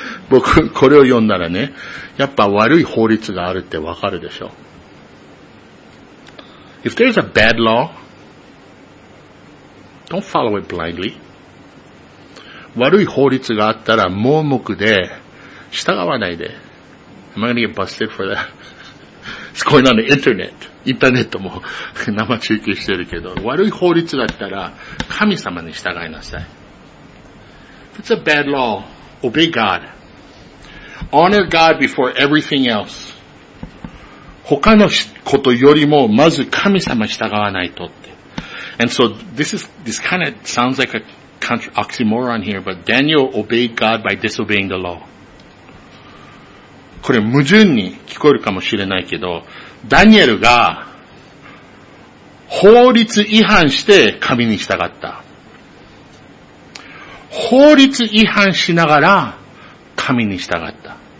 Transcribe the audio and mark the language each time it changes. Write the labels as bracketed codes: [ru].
[ja] 僕、これを読んだらね、やっぱ悪い法律があるってわかるでしょ。 [en] If there's a bad law, don't follow it blindly. [ja] 悪い法律があったら盲目で従わないで。 [en] Am I gonna get busted for that? It's going on the internet. [ja] インターネットも生中継してるけど、悪い法律だったら神様に従いなさい。 [en] If it's a bad law,Obey God. Honor God before everything else. [ja] 他のことよりもまず神様従わないとって。 [en] And so this kind of sounds like an oxymoron here, but Daniel obeyed God by disobeying the law. [ja] これ矛盾に聞こえるかもしれないけど、ダニエルが法律違反して神に従った。法律違反しながら神に従った。